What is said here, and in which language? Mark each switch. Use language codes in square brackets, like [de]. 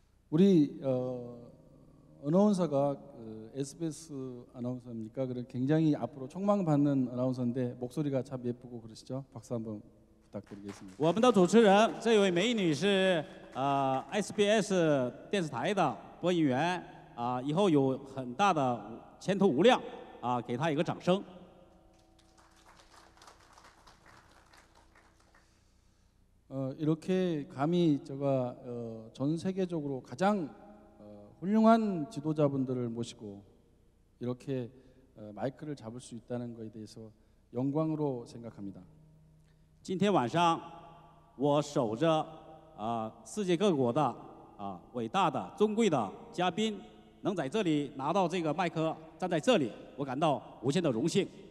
[ko] 우리 아나운서가 SBS 아나운서입니까? 그런 굉장히 앞으로 촉망받는 아나운서인데 목소리가 참 예쁘고 그러시죠? 박수 한번 부탁드리겠습니다. [zh] 我们的主持人这位美女是 SBS 电视台的播音员。以后有很大的前途无量，给他一个掌声。 [ko] 이렇게 감히 제가 전 세계적으로 가장 훌륭한 지도자분들을 모시고 이렇게 마이크를 잡을 수 있다는 것에 대해서 영광으로 생각합니다. [zh] 今天晚上我守着世界各国的伟大的尊贵的嘉宾能在这里拿到这个麦克，站在这里，我感到无限的荣幸。